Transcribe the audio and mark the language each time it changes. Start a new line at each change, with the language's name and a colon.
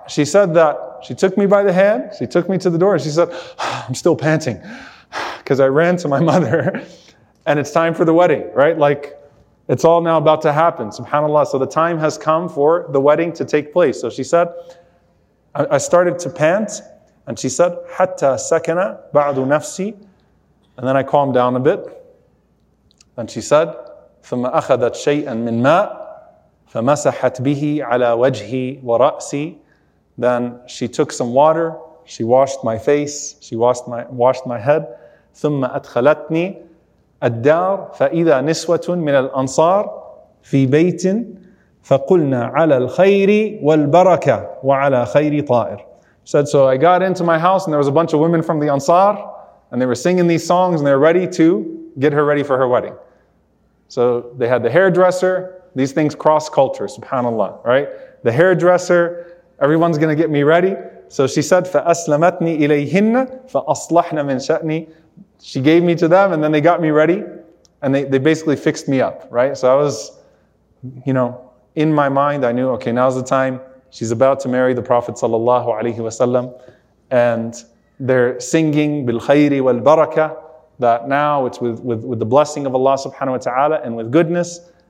English: She said that she took me by the hand, she took me to the door, and she said, I'm still panting because I ran to my mother and it's time for the wedding, right? Like, it's all now about to happen, subhanAllah. So the time has come for the wedding to take place. So she said, I started to pant, and she said,
Arabic: حَتَّى سَكَنَ بَعْدُ نَفْسِي.
English: And then I calmed down a bit. And she said,
Arabic: ثُمَّ أَخَذَتْ شَيْئًا مِنْ مَا فَمَسَحَتْ بِهِ عَلَىٰ وَجْهِ وَرَأْسِي.
English: Then she took some water, she washed my face, she washed my head.
Arabic: ثُمَّ أَدْخَلَتْنِي الدَّارِ فَإِذَا نِسْوَةٌ مِنَ الْأَنصَارِ فِي بَيْتٍ فَقُلْنَا عَلَىٰ الْخَيْرِ وَالْبَرَكَةِ وَعَلَىٰ خَيْرِ طَائِرِ.
English: Said, so I got into my house and there was a bunch of women from the Ansar and they were singing these songs and they were ready to get her ready for her wedding. So they had the hairdresser. These things cross culture, subhanAllah, right? The hairdresser, everyone's going to get me ready. So she said,
Arabic: فَأَسْلَمَتْنِي إِلَيْهِنَّ فَأَصْلَحْنَ مِنْ شَأْنِي.
English: She gave me to them and then they got me ready and they basically fixed me up, right? So I was, you know, in my mind, I knew, okay, now's the time. She's about to marry the Prophet sallallahu alaihi wasallam, and they're singing
Arabic: بِالْخَيْرِ وَالْبَرَكَةِ,
English: that now it's with the blessing of Allah subhanahu wa ta'ala and with goodness.